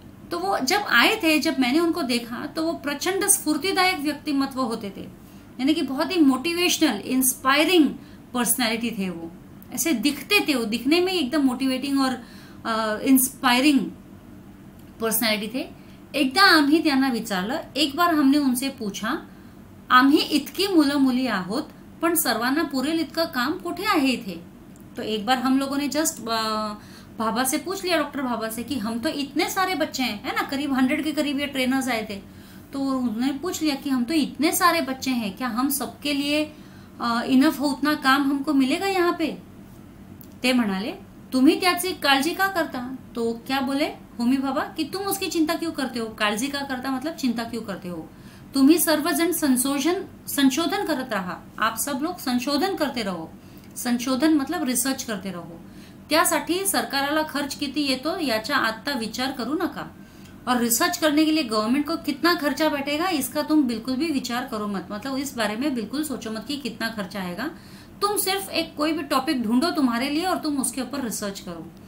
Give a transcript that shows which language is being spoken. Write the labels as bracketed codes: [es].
[hi] तो वो जब आए थे, जब मैंने उनको देखा तो वो प्रचंड स्फूर्तिदायक व्यक्तिमत्व होते थे, यानी कि बहुत ही मोटिवेशनल इंस्पायरिंग पर्सनैलिटी थे वो, ऐसे दिखते थे वो, दिखने में एकदम मोटिवेटिंग और इंस्पायरिंग पर्सनैलिटी थे। [mr] एकदा आम्ही त्यांना विचारलं, [hi] एक बार हमने उनसे पूछा, [mr] आम्ही इतकी मुलं मुली आहोत पण सर्वांना पुरेल इतकं काम कुठे आहे इथे? [hi] तो एक बार हम लोगों ने जस्ट भाभा से पूछ लिया, डॉक्टर भाभा से, कि हम तो इतने सारे बच्चे हैं, है ना, करीब 100 के करीब ये ट्रेनर्स आए थे। तो उन्होंने पूछ लिया कि हम तो इतने सारे बच्चे हैं, क्या हम सबके लिए इनफ हो, उतना काम हमको मिलेगा यहाँ पे? [mr] ते म्हणाले, तुम्ही त्याची काळजी का करता? [hi] तो क्या बोले होमी भाभा, कि तुम उसकी चिंता क्यों करते हो, [mr] काळजी का करता [hi] मतलब चिंता क्यों करते हो, [mr] तुम्ही सर्वजण संशोधन करत रहा, [hi] आप सब लोग संशोधन करते रहो, संशोधन मतलब रिसर्च करते रहो, [mr] त्यासाठी सरकाराला खर्च किती येतो याचा आता विचार करू नका, [hi] और रिसर्च करने के लिए गवर्नमेंट को कितना खर्चा बैठेगा इसका तुम बिल्कुल भी विचार करो मत, मतलब इस बारे में बिल्कुल सोचो मत कि कितना खर्चा आएगा, तुम सिर्फ एक कोई भी टॉपिक ढूंढो तुम्हारे लिए और तुम उसके ऊपर रिसर्च करो।